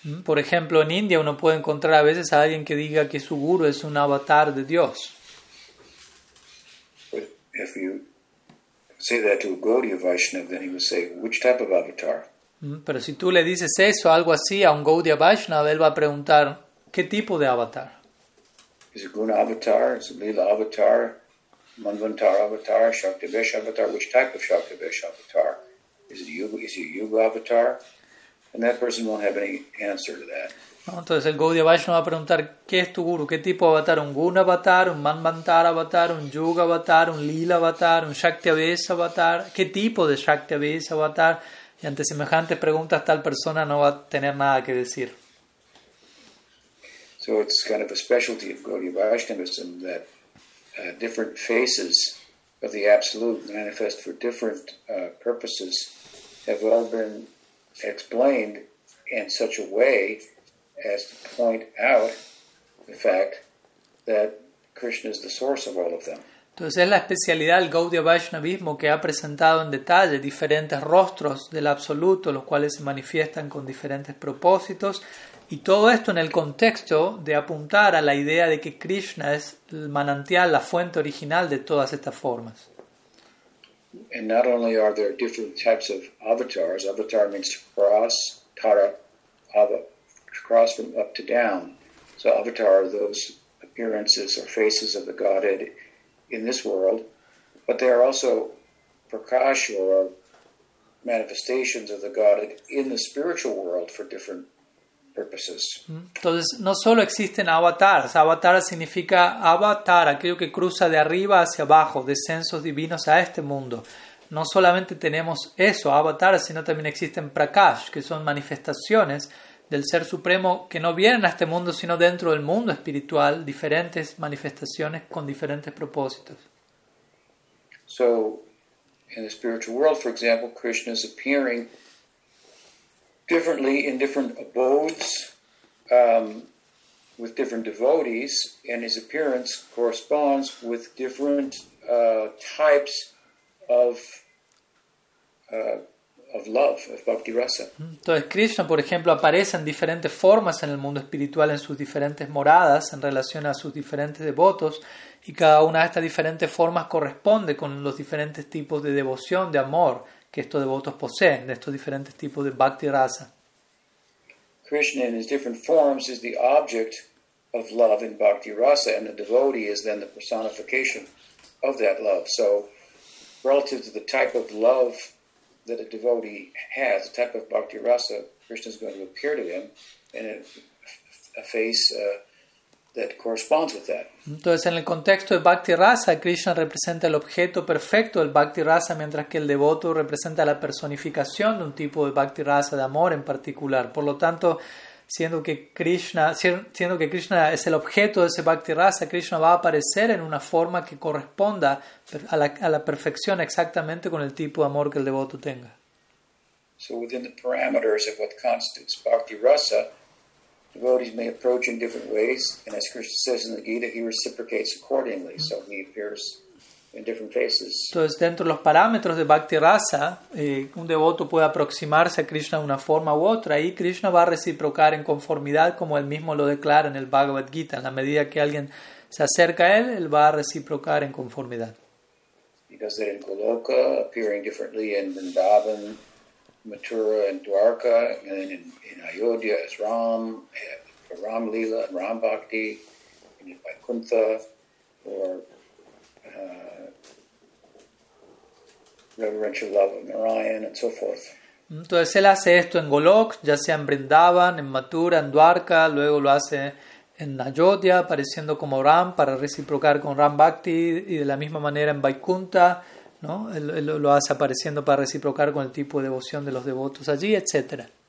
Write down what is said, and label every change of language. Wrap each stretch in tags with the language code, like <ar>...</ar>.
<es>Por ejemplo, en India uno puede encontrar a veces a alguien que diga que su guru es un avatar de Dios.</es> <en>But if you say that to a Gaudiya Vaishnava, then he would say, which type of avatar?</en> <es>Pero si tú le dices eso, algo así, a un Gaudiya Vaishnava, él va a preguntar, ¿qué tipo de avatar?</es> <en>Is it Guna avatar? Is it Lila avatar? Manvantara avatar, Shaktivesh avatar, which type of Shaktivesh avatar? Is it Yuga avatar? And that person won't have any answer to that.</en> <es>No, entonces el Gaudiya Vaishnava va a preguntar, ¿qué es tu guru? ¿Qué tipo de avatar? ¿Un Guna avatar? ¿Un Manvantara avatar? ¿Un Yuga avatar? ¿Un Lila avatar? ¿Un Shaktivesh avatar? ¿Qué tipo de Shaktivesh avatar? Y ante semejantes preguntas, tal persona no va a tener nada que decir.</es> <en>So it's kind of a specialty of Gaudiya Vaishnavism that different faces of the Absolute manifest for different purposes have all been explained in such a way as to point out the fact that Krishna is the source of all of them.</en> <es>Entonces es la especialidad del Gaudiya Vaishnavismo que ha presentado en detalle diferentes rostros del Absoluto, los cuales se manifiestan con diferentes propósitos. Y todo esto en el contexto de apuntar a la idea de que Krishna es el manantial, la fuente original de todas estas formas.</es> <en>And not only are there different types of avatars, avatar means cross, tara, ava, cross from up to down. So avatar are those appearances or faces of the Godhead in this world, but they are also prakash or manifestations of the Godhead in the spiritual world for different purposes.</en> <es>Entonces, no solo existen avatars. Avatar significa avatar, aquello que cruza de arriba hacia abajo, descensos divinos a este mundo. No solamente tenemos eso, avatar, sino también existen prakash, que son manifestaciones del Ser Supremo que no vienen a este mundo, sino dentro del mundo espiritual, diferentes manifestaciones con diferentes propósitos.</es> <en>So, in the spiritual world, for example, Krishna is appearing differently in different abodes with different devotees, and his appearance corresponds with different types of love, of bhakti rasa.</en> <es>Entonces Krishna, por ejemplo, aparece en diferentes formas en el mundo espiritual en sus diferentes moradas en relación a sus diferentes devotos, y cada una de estas diferentes formas corresponde con los diferentes tipos de devoción, de amor que estos devotos poseen, de estos diferentes tipos de bhakti rasa.</es> <en>Krishna in his different forms is the object of love in bhakti rasa, and the devotee is then the personification of that love. So relative to the type of love that a devotee has, the type of bhakti rasa, Krishna is going to appear to him in a face that corresponds with that.</en> <es>Entonces, en el contexto de bhakti rasa, Krishna representa el objeto perfecto del bhakti rasa, mientras que el devoto representa la personificación de un tipo de bhakti rasa, de amor en particular. Por lo tanto, siendo que Krishna es el objeto de ese bhakti rasa, Krishna va a aparecer en una forma que corresponda a la perfección exactamente con el tipo de amor que el devoto tenga.</es> <en>So within the parameters of what constitutes bhakti rasa, devotees may approach in different ways, and as Krishna says in the Gita, he reciprocates accordingly, so he appears in different faces.</en> <es>Entonces, dentro de los parámetros de bhakti rasa, un devoto puede aproximarse a Krishna de una forma u otra, y Krishna va a reciprocar en conformidad como él mismo lo declara en el Bhagavad Gita. En la medida que alguien se acerca a él, él va a reciprocar en conformidad.</es> <en>He does that in Goloka, appearing differently in Vrindavan, Mathura and Dwarka, and then in Ayodhya as Ram, Ram Lila and Ram Bhakti, and in Vaikuntha, or reverential love of Narayan, and so forth.</en> <es>Entonces él hace esto en Golok, ya sea en Vrindavan, en Mathura, en Dwarka, luego lo hace en Ayodhya, apareciendo como Ram, para reciprocar con Ram Bhakti, y de la misma manera en Vaikuntha, ¿no? Él lo hace apareciendo para reciprocar con el tipo de devoción de los devotos allí, etc.</es>